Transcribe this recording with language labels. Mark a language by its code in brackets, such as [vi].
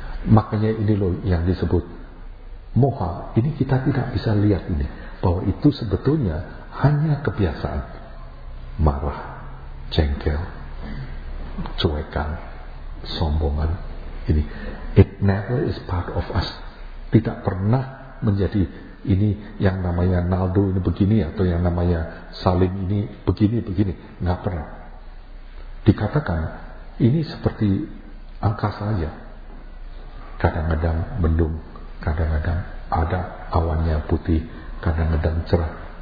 [id] Makanya ini loh yang disebut moha. Ini kita tidak bisa lihat ini, bahwa itu sebetulnya hanya kebiasaan marah, jengkel, cuekan, sombongan. [en] Ini it never is part of us. [id] Tidak pernah menjadi ini yang namanya Naldo ini begini, atau yang namanya Salim ini begini, gak pernah. Dikatakan ini seperti angkasa aja, kadang-kadang mendung, kadang-kadang ada awannya putih, kadang-kadang cerah.